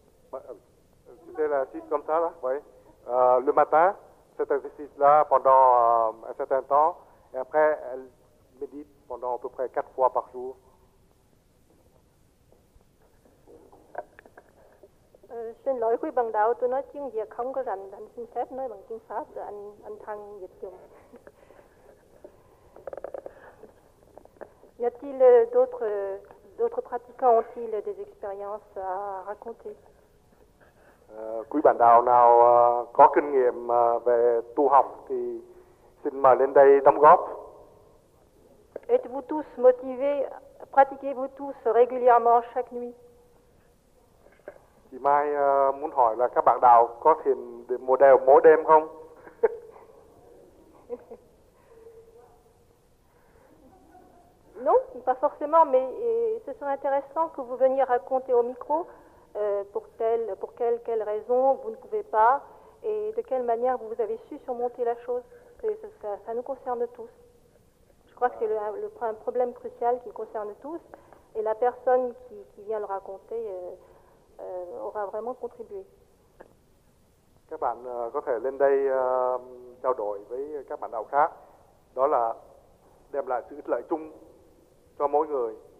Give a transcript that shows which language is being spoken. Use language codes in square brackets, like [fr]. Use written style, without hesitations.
[fr] C'est l'exercice comme ça là, oui. Le matin, cet exercice-là pendant un certain temps, et après, elle médite pendant à peu près 4 fois par jour. [vi] Xin lỗi quý bằng đạo, tôi nói tiếng Việt không có rành, anh xin phép nói bằng tiếng Pháp rồi anh Thăng dịch dùm. [fr] Y a-t-il d'autres pratiquants ont-ils des expériences à raconter? [vi] Quý bạn đạo nào có kinh nghiệm về tu học thì xin mời lên đây đóng góp. [fr] Êtes-vous tous motivés? Pratiquez-vous tous régulièrement chaque nuit? [vi] Chị Mai muốn hỏi là các bạn đạo có thiền mùa đều mỗi đêm không? [fr] Non, pas forcément, mais ce serait intéressant que vous veniez raconter au micro pour quelle raison vous ne pouvez pas et de quelle manière vous avez su surmonter la chose. Ça nous concerne tous. Je crois que c'est un problème crucial qui concerne tous et la personne qui vient le raconter aura vraiment contribué. [vi] Các bạn có thể lên đây trao đổi với các bạn đạo khác. Đó là đem lại sự ích lợi chung cho mỗi người.